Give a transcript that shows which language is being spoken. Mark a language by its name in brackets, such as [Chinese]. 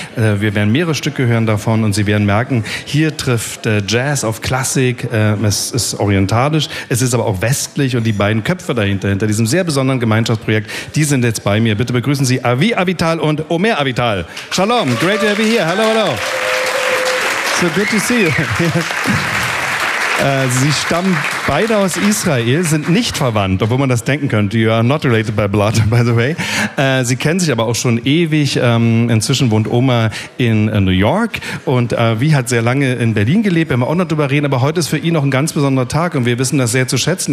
[German] Wir werden mehrere Stücke hören davon und Sie werden merken, hier trifft Jazz auf Klassik, es ist orientalisch, es ist aber auch westlich und die beiden Köpfe dahinter, hinter diesem sehr besonderen Gemeinschaftsprojekt, die sind jetzt bei mir. Bitte begrüßen Sie Avi Avital und Omer Avital. [English] Shalom, great to have you here. Hello, hello. So good to see you. [German] Sie stammen beide aus Israel, sind nicht verwandt, obwohl man das denken könnte. [English] You are not related by blood, by the way. [German] Sie kennen sich aber auch schon ewig. Inzwischen wohnt Oma in New York und wie hat sehr lange in Berlin gelebt. Wir haben auch noch drüber reden, aber heute ist für ihn noch ein ganz besonderer Tag und wir wissen das sehr zu schätzen.